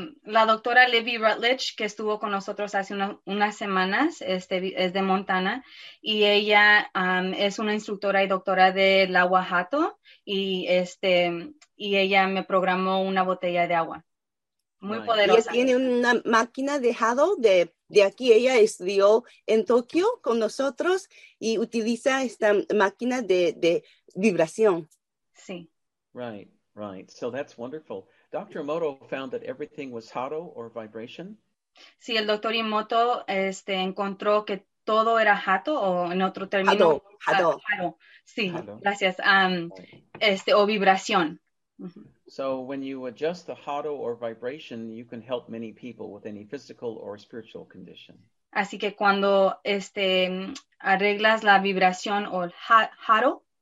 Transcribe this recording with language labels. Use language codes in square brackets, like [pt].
[es] La doctora Libby Rutledge, que estuvo con nosotros hace unas semanas, es de Montana, y ella es una instructora y doctora del agua Hato, y ella me programó una botella de agua. Muy poderosa. Y tiene una máquina de Hado de aquí. Ella estudió en Tokio con nosotros y utiliza esta máquina de vibración. Sí. [en] Right, right. So that's wonderful. Dr. Emoto found that everything was Hado or vibration? [es] Sí, el doctor Emoto encontró que todo era Hado o en otro término. Hado, Hado. Hado. Sí, Hado. Gracias. O vibración. [en] So when you adjust the Hado or vibration, you can help many people with any physical or spiritual condition. [es] Así que cuando arreglas la vibración o el Hado.